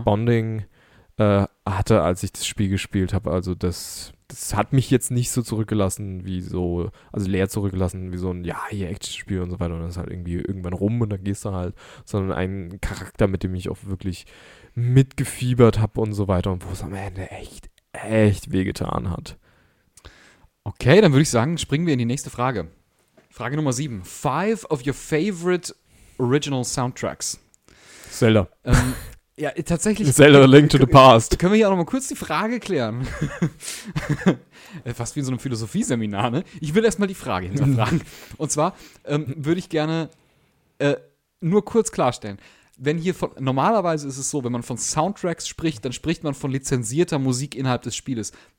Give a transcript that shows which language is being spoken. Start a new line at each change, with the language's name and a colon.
German: Bonding hatte, als ich das Spiel gespielt habe, also das hat mich jetzt nicht so zurückgelassen, wie so, also leer zurückgelassen, wie so ein, ja, hier Action-Spiel und so weiter und das ist halt irgendwie irgendwann rum und dann gehst du halt, sondern ein Charakter, mit dem ich auch wirklich mitgefiebert habe und so weiter und wo es am Ende echt, echt wehgetan hat. Okay, dann würde ich sagen, springen wir in die nächste Frage. Frage Nummer 7.
English: 5 of your favorite original soundtracks.
German: Zelda. Ja, tatsächlich. Zelda Link to the Past. Können wir hier auch nochmal kurz die Frage klären? Fast wie in so einem Philosophieseminar, ne? Ich will erstmal die Frage hinterfragen. Und zwar würde ich gerne nur kurz klarstellen. Wenn hier von, normalerweise ist es so, wenn man von Soundtracks spricht, dann spricht man von lizenzierter Musik innerhalb des Spieles.